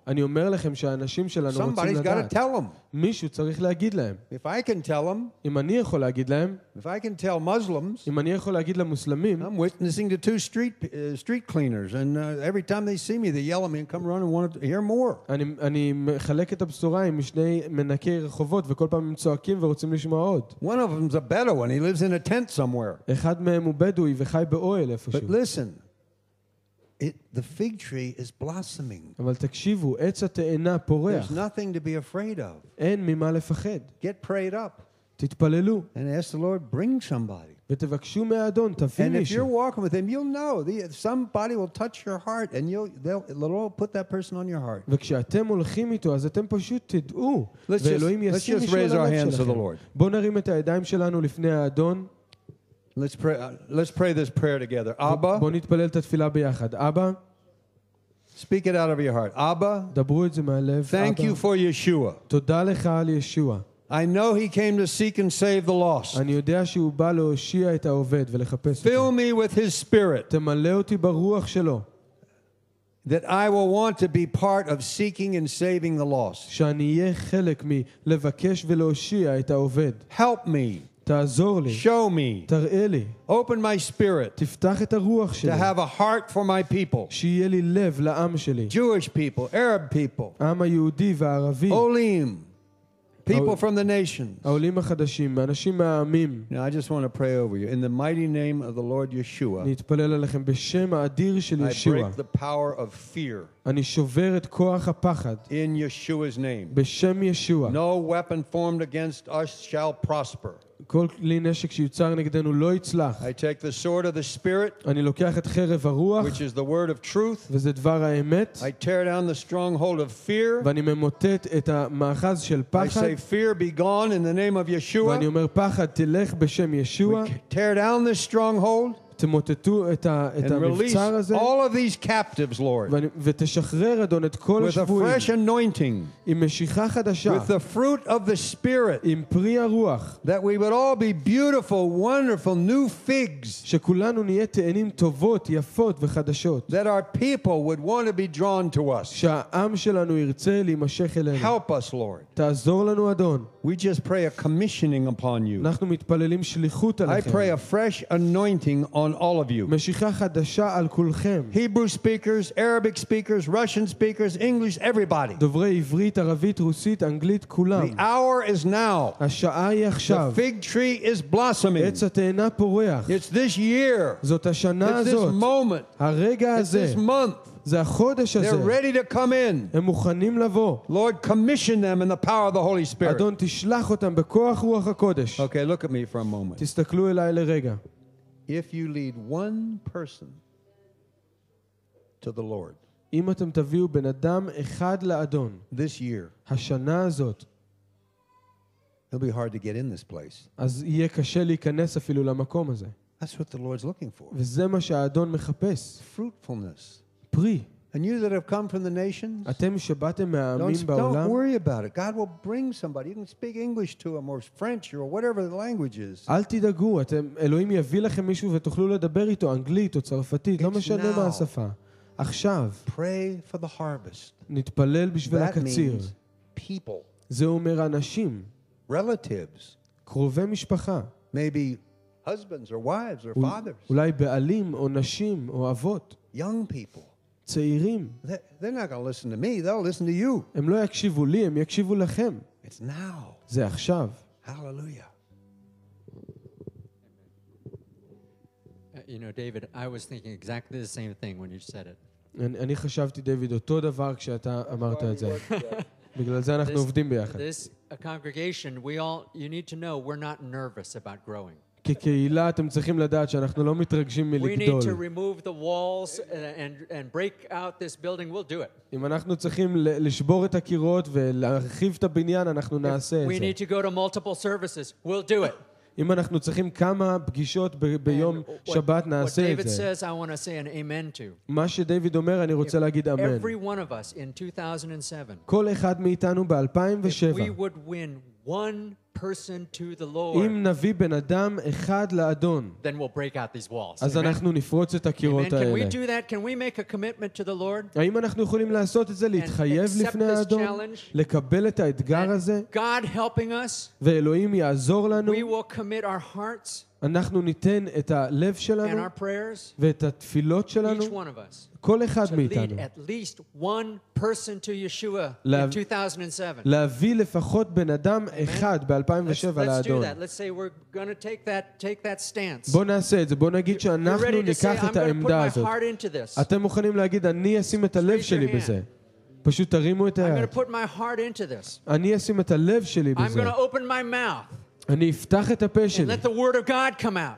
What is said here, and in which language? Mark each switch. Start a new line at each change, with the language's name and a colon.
Hebrew: אני אומר לכם שאנשים שלנו רוצים לדעת.
English: Somebody's got to tell them.
Hebrew: מישהו צריך להגיד להם.
English: If I can tell them.
Hebrew: אם אני יכול להגיד להם.
English: If I can tell Muslims.
Hebrew: אם אני יכול להגיד למוסלמים.
English: I'm witnessing to two street cleaners, and every time they see me, they yell at me and come running and want to hear more.
Hebrew: אני מחלק את הבשורה עם שני מנקי רחובות, וכל פעם הם צועקים ורוצים לשמוע עוד.
English: One of them's a Bedouin. He lives in a tent somewhere.
Hebrew: אחד מהם הוא בדואי וחי באוהל איפשהו.
English: But listen. The fig tree is blossoming.
Hebrew: אבל תקשיבו, עץ התאנה פורח.
English: There's nothing to be afraid of.
Hebrew: אין ממה לפחד.
English: Get prayed up.
Hebrew: תתפללו.
English: And ask the Lord, bring somebody.
Hebrew: ותבקשו מהאדון, תביא מישהו.
English: And if you're walking with him, you'll know. Somebody will touch your heart and the Lord will put that person on your heart.
Hebrew: וכשאתם הולכים איתו, אז אתם פשוט תדעו. ואלוהים ישים מישהו. Let's just raise our hands to the Lord. בוא נרים את הידיים שלנו לפני האדון. Let's pray this prayer together. Abba. בוא נתפלל את התפילה ביחד. Abba.
English: Speak it out of your heart.
Hebrew: Abba. דברו את זה מהלב.
English: Thank you for Yeshua.
Hebrew: תודה לך על ישוע.
English: I know he came to seek and save the lost.
Hebrew: אני יודע שהוא בא להושיע את האובד ולחפש אותו.
English: Fill me with his spirit.
Hebrew: תמלא אותי ברוח שלו.
English: That I will want to be part of seeking and saving the lost.
Hebrew: שאני יהיה חלק מלבקש ולהושיע את האובד.
English: Help me.
Hebrew: תעזור לי.
English: Show me.
Hebrew: תראה לי.
English: Open my spirit.
Hebrew: תפתח את הרוח שלי.
English: To have a heart for my people.
Hebrew: שיהיה לי לב לעם שלי.
English: Jewish people, Arab people.
Hebrew: עם היהודי והערבי. Olim.
English: People from the nations.
Hebrew: העולים החדשים, אנשים מהעמים.
English: Now I just want to pray over you in the mighty name of the Lord Yeshua.
Hebrew: נתפלל עליכם בשם האדיר של ישוע.
English: I break the power of fear.
Hebrew: אני שובר את כוח הפחד.
English: In Yeshua's name.
Hebrew: בשם ישוע.
English: No weapon formed against us shall prosper.
Hebrew: כל כלי נשק שיוצר נגדנו לא יצלח.
English: I take the sword of the spirit,
Hebrew: אני לוקח את חרב הרוח,
English: which is the word of truth,
Hebrew: וזה דבר האמת.
English: I tear down the stronghold of fear,
Hebrew: ואני ממוטט את המאחז של פחד.
English: I say fear be gone in the name of Yeshua,
Hebrew: ואני אומר פחד תלך בשם ישוע.
English: We tear down this stronghold,
Hebrew: תמוטטו את המבצר הזה.
English: All of these captives, Lord,
Hebrew: ותשחרר אדון את כל השבויים.
English: With a fresh anointing,
Hebrew: עם משיכה חדשה.
English: With the fruit of the spirit,
Hebrew: עם פרי הרוח.
English: That we would all be beautiful, wonderful, new figs,
Hebrew: שכולנו נהיה תאנים טובות, יפות וחדשות.
English: That our people would want to be drawn to us,
Hebrew: שהעם שלנו ירצה להימשך אלינו.
English: Help us, Lord,
Hebrew: תעזור לנו אדון.
English: We just pray a commissioning upon you.
Hebrew: אנחנו מתפללים שליחות עליכם.
English: I pray a fresh anointing on all of you.
Hebrew: משיכה חדשה על כולכם.
English: Hebrew speakers, Arabic speakers, Russian speakers, English, everybody.
Hebrew: דוברי עברית, ערבית, רוסית, אנגלית, כולם.
English: The hour is now.
Hebrew: השעה היא עכשיו.
English: The fig tree is blossoming.
Hebrew: עץ התאנה פורח.
English: It's this year.
Hebrew: זאת השנה הזאת.
English: It's this moment.
Hebrew: הרגע הזה.
English: It's this month.
Hebrew: זה החודש הזה.
English: They're ready to come in.
Hebrew: הם מוכנים לבוא.
English: Lord, commission them in the power of the Holy Spirit.
Hebrew: אדון, תשלח אותם בכוח רוח הקודש.
English: Okay, look at me for a moment.
Hebrew: תסתכלו אליי לרגע.
English: If you lead one person to the Lord,
Hebrew: אם אתם תביאו בן אדם אחד לאדון,
English: this year,
Hebrew: השנה הזאת,
English: it'll be hard to get in this place.
Hebrew: אז יהיה קשה להיכנס אפילו למקום הזה.
English: That's what the Lord's looking for.
Hebrew: וזה מה שהאדון מחפש.
English: Fruitfulness.
Hebrew: פרי.
English: And you that have come from the nations,
Hebrew: אתם שבאתם מהעמים בעולם,
English: don't worry about it. God will bring somebody. You can speak English to him or French or whatever the language is.
Hebrew: אל תדאגו, אתם אלוהים יביא לכם מישהו ותוכלו לדבר איתו אנגלית או צרפתית, לא משנה מה השפה. עכשיו,
English: pray for the harvest.
Hebrew: נתפלל בשביל הקציר.
English: People.
Hebrew: זה אומר אנשים.
English: Relatives.
Hebrew: קרובי משפחה.
English: Maybe husbands or wives or fathers.
Hebrew: אולי בעלים או נשים או אבות.
English: Young people.
Hebrew: צעירים.
English: They're not going to listen to me. They'll listen to you.
Hebrew: הם לא יקשיבו לי, הם יקשיבו לכם.
English: It's now.
Hebrew: זה עכשיו.
English: Hallelujah. You know, David, I was thinking exactly the same thing when you said it.
Hebrew: אני חשבתי, דיוויד, אותו דבר כשאתה אמרת את זה. בגלל זה אנחנו עובדים ביחד.
English: This congregation, we all, you need to know, we're not nervous about growing.
Hebrew: כקהילה אתם צריכים לדעת שאנחנו לא מתרגשים מלגדול.
English: We need to remove the walls and break out this building, we'll do it.
Hebrew: אם אנחנו צריכים לשבור את הקירות ולהרחיב את הבניין, אנחנו נעשה את זה.
English: We need to go to multiple services, we'll do it.
Hebrew: אם אנחנו צריכים כמה פגישות ביום שבת, נעשה את זה.
English: What David says, I want to say an amen to.
Hebrew: מה שדייוויד אומר, אני רוצה להגיד אמן.
English: Every one of us in 2007.
Hebrew: כל אחד מאיתנו ב-2007.
English: If we would win one person to the Lord,
Hebrew: אם נביא בן אדם אחד לאדון,
English: then we'll break out these walls.
Hebrew: אז אנחנו נפרוץ את הקירות האלה.
English: Can we do that? Can we make a commitment to the Lord?
Hebrew: האם אנחנו יכולים לעשות את זה, להתחייב לפני האדון, לקבל את האתגר הזה?
English: God helping us,
Hebrew: ואלוהים יעזור לנו.
English: We will commit our hearts,
Hebrew: אנחנו ניתן את הלב שלנו,
English: and our prayers,
Hebrew: ואת התפילות שלנו.
English: Each one of us.
Hebrew: כל אחד
English: to
Hebrew: מאיתנו.
English: Lead at least one person to Yeshua in 2007.
Hebrew: להביא לפחות בן אדם אחד ב-2007 לאדון.
English: Let's say we're going to take that stance.
Hebrew: בוא נעשה את זה. בוא נגיד שאנחנו ניקח את העמדה הזאת.
English: You're ready to say, I'm going to put my heart into this.
Hebrew: אני אשים את הלב שלי בזה. פשוט תרימו את היד.
English: I'm going to put my heart into this.
Hebrew: אני אשים את הלב שלי בזה.
English: I'm going to open my mouth.
Hebrew: אני אפתח את הפה שלי.
English: And let the word of God come out.